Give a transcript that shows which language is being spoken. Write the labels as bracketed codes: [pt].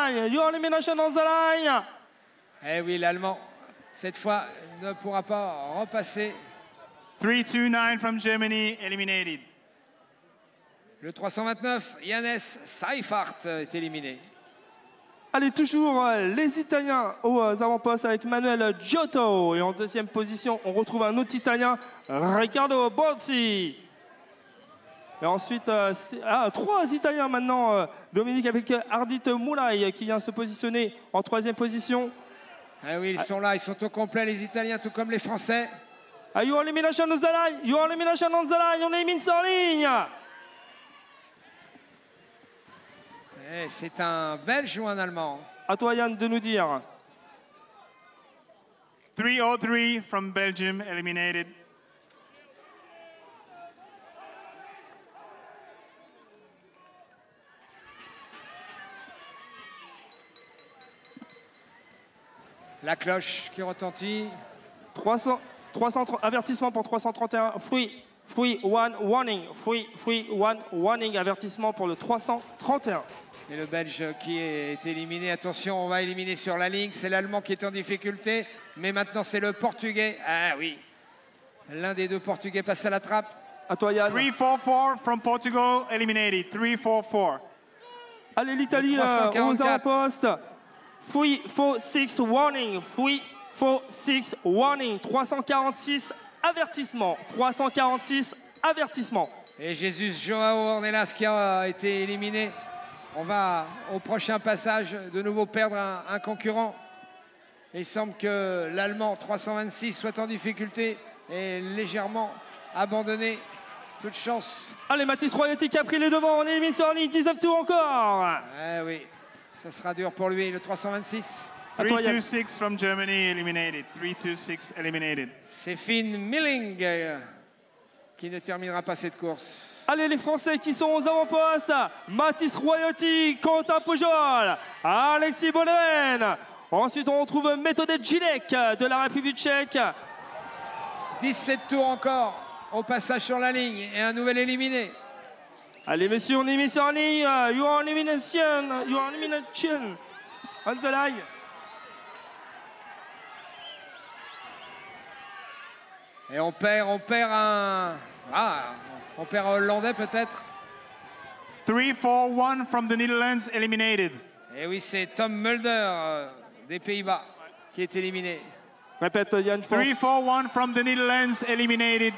[en] You are elimination on the line. [fr] Eh oui, l'Allemand, cette fois, ne pourra pas repasser. [en] 329 from Germany eliminated. [fr] Le 329, Yannes Seifert est éliminé. Allez, toujours les Italiens aux avant-postes avec Manuel Giotto. Et en deuxième position, on retrouve un autre Italien, Riccardo Bozzi. Et ensuite, trois Italiens maintenant, Dominique avec Ardit Moulay qui vient se positionner en troisième position. Eh oui, ils sont là, ils sont au complet, les Italiens, tout comme les Français. [en] You are elimination on the line, [fr] on élimine sur ligne. Et c'est un Belge ou un Allemand? À toi, Yann, de nous dire. [en] 303 from Belgium eliminated. [fr] La cloche qui retentit. 300 avertissement pour 331. [en] Free one warning. Free one warning. [fr] Avertissement pour le 331. Et le Belge qui est éliminé. Attention, on va éliminer sur la ligne. C'est l'Allemand qui est en difficulté. Mais maintenant, c'est le Portugais. Ah oui. L'un des deux Portugais passe à la trappe. À toi, Yann. [en] 3-4-4 from Portugal eliminated. 3-4-4. [fr] Allez, l'Italie, on est en poste. [en] 3-4-6 warning. 3-4-6 warning. [fr] 346 avertissement. 346 avertissement. Et Jesus João Ornelas qui a été éliminé. On va au prochain passage de nouveau perdre un concurrent. Il semble que l'Allemand 326 soit en difficulté et légèrement abandonné. Toute chance. Allez, Mathis Royetti qui a pris les devants. On est mis sur la ligne. 19 tours encore. Eh oui, ça sera dur pour lui, le 326. [en] 3-2-6 from Germany eliminated. 3-2-6 eliminated. [fr] C'est Finn Milling qui ne terminera pas cette course. Allez, les Français qui sont aux avant-postes. Mathis Royetti, Quentin Pujol, Alexis Bonneven. Ensuite, on retrouve Metode Gilek de la République tchèque. 17 tours encore au passage sur la ligne et un nouvel éliminé. Allez, messieurs, on est mis sur la ligne. [en] You are elimination. You are elimination. On the line. [fr] Et on perd un... Ah, on perd un Hollandais peut-être. [en] 3-4-1 from the Netherlands eliminated. [fr] Et oui, c'est Tom Mulder des Pays-Bas qui est éliminé. Répète, Yann, je pense. [en] 3-4-1 from the Netherlands eliminated.